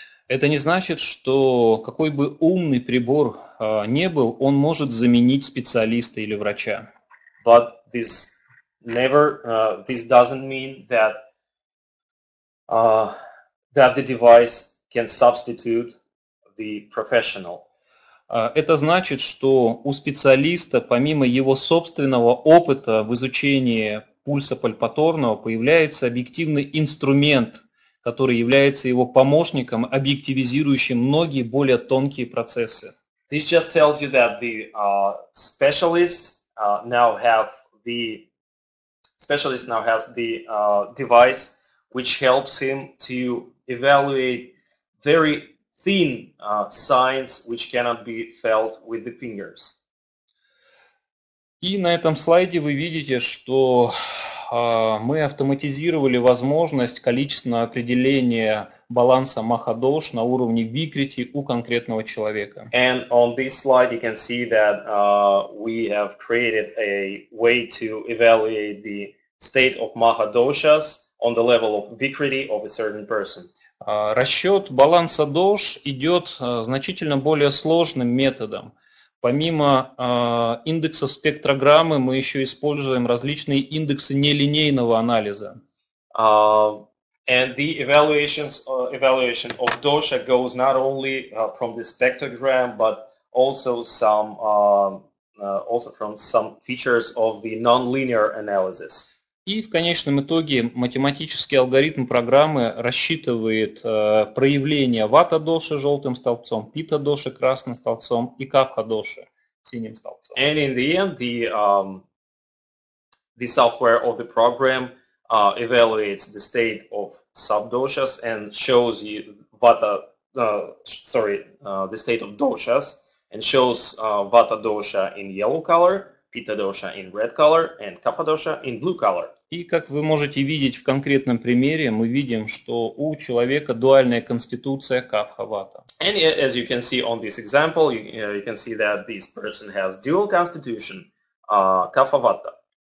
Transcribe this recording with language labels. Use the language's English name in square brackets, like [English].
[Russian] Это не значит, что какой бы умный прибор не был, он может заменить специалиста или врача. [English] But this never, this doesn't mean that that the device can substitute the professional. [Russian] Это значит, что у специалиста, помимо его собственного опыта в изучении пульса пальпаторного, появляется объективный инструмент, который является его помощником, объективизирующим многие более тонкие процессы. [English] This just tells you that the specialists now have the specialist now has the device which helps him to evaluate very thin signs which cannot be felt with the fingers. [Russian] И на этом слайде вы видите, что мы автоматизировали возможность количественного определения баланса маха-дош на уровне викрити у конкретного человека. [English] And on this slide you can see that we have created a way to evaluate the state of maha-doshas on the level of vikriti of a certain person. [Russian] Расчет баланса дош идет значительно более сложным методом. Помимо индексов спектрограммы, мы еще используем различные индексы нелинейного анализа. [English] And the evaluations, evaluation of dosha goes not only from the spectrogram, but also some also from some features of the non-linear analysis. [Russian] И в конечном итоге математический алгоритм программы рассчитывает проявление вата-доши желтым столбцом, питта-доши красным столбцом и капха-доши синим столбцом. [English] And in the end, the software of the program evaluates the state of sub-doshas and shows you vata, the state of doshas and shows Vata dosha in yellow color, Pitta dosha in red color, and Kapha dosha in blue color. [Russian] И как вы можете видеть в конкретном примере, мы видим, что у человека дуальная конституция капха-вата. [English] And as you can see on this example, you can see that this person has dual constitution, капха-вата.